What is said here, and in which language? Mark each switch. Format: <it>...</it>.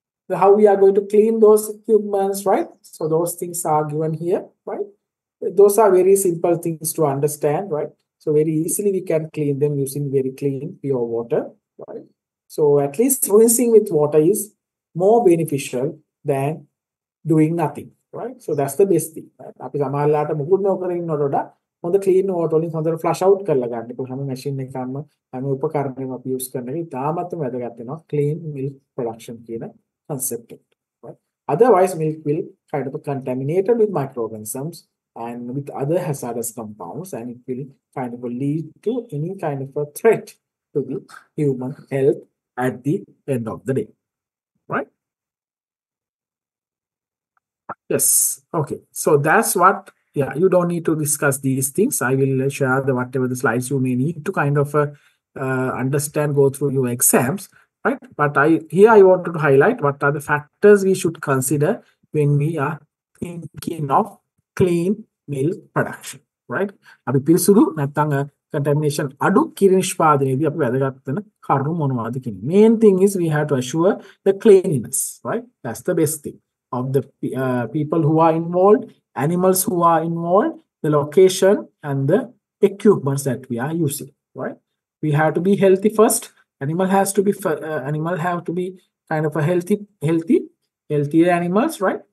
<en>So how we are going to clean those equipments, right? So those things are given here, right? Those are very simple things to understand, right? So very easily we can clean them using very clean, pure water, right? So at least rinsing with water is more beneficial than doing nothing, right? So that's the best thing, right?</en> <si>අපි සමහර ලාට මුකුත් නොකර ඉන්නවට හොඳ clean water වලින් හොඳට flash out කරලා ගන්න. ඒක හැම මැෂින් එකක්ම හැම උපකරණයක්ම අපි යූස් කරන එක ඉතාමත්ම වැදගත් වෙනවා ක්ලීන් මිල්ක් ප්‍රොඩක්ෂන් කියන කන්සෙප්ට් එක.</si> <en>Right? Otherwise milk will kind of contaminated with microorganisms and with other hazardous compounds and it will kind of lead to any kind of a threat to the human health at the end of the day. Right? Yes. Okay. So that's what Yeah, you don't need to discuss these things. I will share the whatever the slides you may need to kind of understand, go through your exams, right? But I wanted to highlight what are the factors we should consider when we are thinking of clean milk production, right?</en> <si>අපි පිළිසුදු නැත්නම් contamination අඩු කිරීම නිෂ්පාදනයේදී අපි වැදගත් වෙන කරුණු මොනවද කියන්නේ?</si> <en>Main thing is we have to assure the cleanliness, right? That's the best thing of the people who are involved. Animals who are involved, the location and the equipments that we are using, right? We have to be healthy first. Animal has to be animal have to be kind of a healthier animals, right?</en>